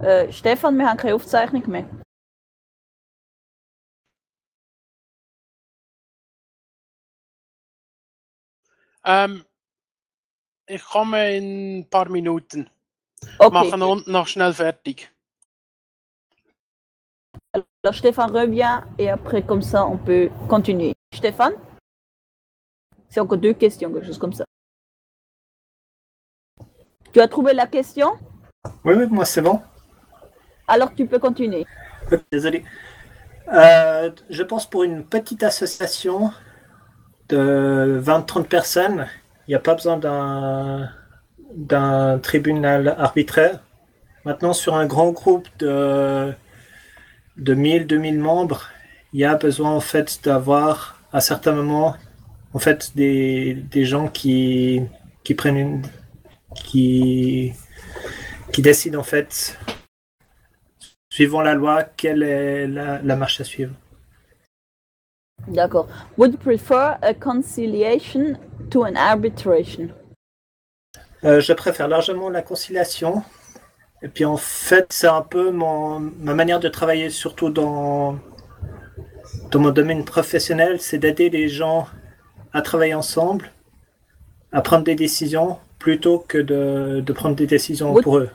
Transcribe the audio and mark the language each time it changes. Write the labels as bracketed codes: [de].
[de] Stefan, wir haben keine Aufzeichnung mehr. Ich komme in ein paar Minuten. Okay. Machen wir unten noch schnell fertig. [fr] Alors, Stefan revient et après, comme ça, on peut continuer. Stefan? C'est encore deux questions, quelque chose comme ça. Tu as trouvé la question? Oui, oui, moi, c'est bon. Alors, tu peux continuer. Désolé. Je pense pour une petite association de 20-30 personnes, il n'y a pas besoin d'un tribunal arbitraire. Maintenant, sur un grand groupe de 1000-2000 membres, il y a besoin en fait d'avoir à certains moments en fait des gens qui prennent une qui décident en fait suivant la loi quelle est la marche à suivre. D'accord. [en] Would you prefer a conciliation to an arbitration? [fr] Je préfère largement la conciliation. Et puis en fait, c'est un peu ma manière de travailler, surtout dans mon domaine professionnel, c'est d'aider les gens à travailler ensemble, à prendre des décisions, plutôt que de prendre des décisions pour eux.